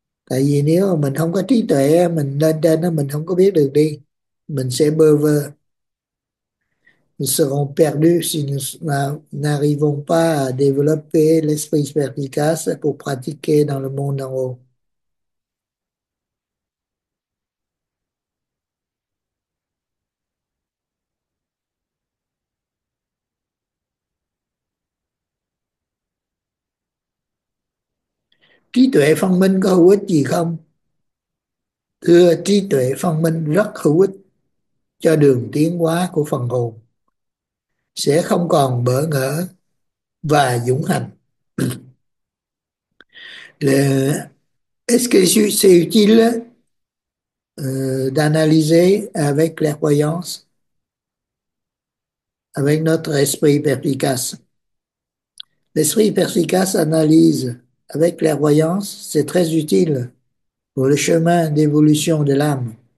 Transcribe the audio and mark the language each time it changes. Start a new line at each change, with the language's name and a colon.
Vietnamese: Tại vì nếu mà mình không có trí tuệ, mình lên trên đó mình không có biết được đi, mình sẽ bơ vơ.
French: Nous serons perdus si nous n'arrivons pas à développer l'esprit perspicace pour pratiquer dans le monde en haut.
Vietnamese: Trí tuệ phân minh có hữu ích gì không? Thưa, trí tuệ phân minh rất hữu ích cho đường tiến hóa của phần hồn. Sẽ không còn bỡ ngỡ và dũng hành.
French: Est-ce que c'est utile d'analyser avec clairvoyance, avec notre esprit perspicace? L'esprit perspicace analyse avec clairvoyance, c'est très utile pour le chemin d'évolution de l'âme.